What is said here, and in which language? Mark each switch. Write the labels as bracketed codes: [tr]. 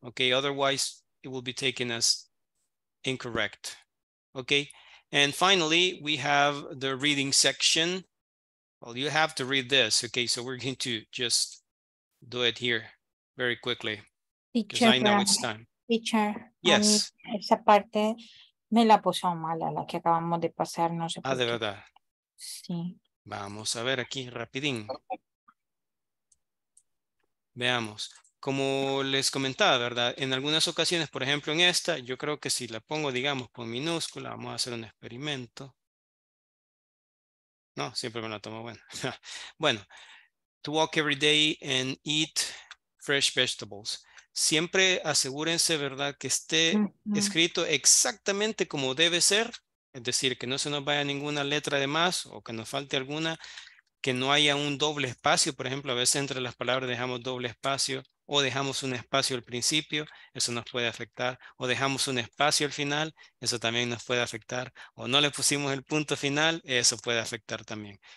[en] Okay, otherwise it will be taken as incorrect. Okay. And finally, we have the reading section. Well, you have to read this. Okay. So we're going to just do it here very quickly. Because I know it's time. Teacher. Yes. [es] Esa parte me la puso mala, la que acabamos de pasar. No sé ah, de verdad. Sí. Vamos a ver aquí rapidín. Veamos. Como les comentaba, ¿verdad? En algunas ocasiones, por ejemplo, en esta, yo creo que si la pongo, digamos, con minúscula, vamos a hacer un experimento. No, siempre me la tomo buena. [en] Bueno, to walk every day and eat fresh vegetables. [es] Siempre asegúrense, ¿verdad?, que esté escrito exactamente como debe ser, es decir, que no se nos vaya ninguna letra de más o que nos falte alguna, que no haya un doble espacio. Por ejemplo, a veces entre las palabras dejamos doble espacio o dejamos un espacio al principio, eso nos puede afectar, o dejamos un espacio al final, eso también nos puede afectar, o no le pusimos el punto final, eso puede afectar también.